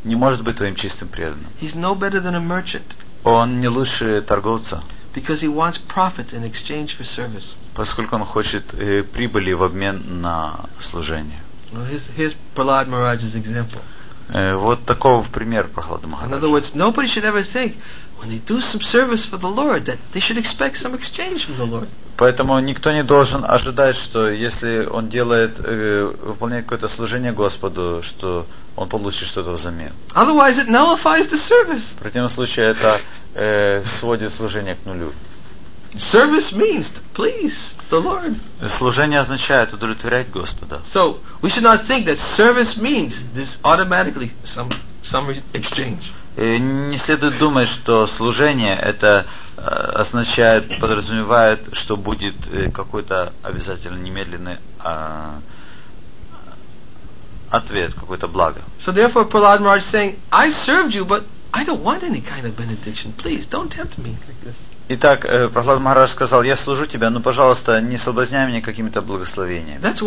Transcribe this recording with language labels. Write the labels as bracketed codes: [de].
[ru] Не может быть твоим чистым преданным. [en] He's no better than a merchant. [ru] Он не лучше торговца. [en] Because he wants profit in exchange for service. [ru] Поскольку он хочет прибыли в обмен на служение. [en] Well, here's Prahlad Maharaj's example. [ru] Вот такого пример Прахлада Махараджа. [en] In other words, nobody should ever think when they do some service for the Lord that they should expect some exchange from the Lord. [ru] Поэтому никто не должен ожидать, что если он делает выполняет какое-то служение Господу, что он получит что-то взамен. [en] Otherwise, it nullifies the service. [ru] В противном случае это сводит служение к нулю. [en] Service means to please the Lord. [ru] Служение означает удовлетворять Господа. [en] So we should not think that service means this automatically some exchange. [ru] Не следует думать, что служение это означает, подразумевает, что будет какой-то обязательно немедленный ответ, какое-то благо. [en] So therefore, Prahlad Maharaj is saying, I served you, but I don't want any kind of benediction. Please don't tempt me like this. [ru] Итак, Прахлад Махарадж сказал, я служу тебя, но, пожалуйста, не соблазняй меня какими-то благословениями.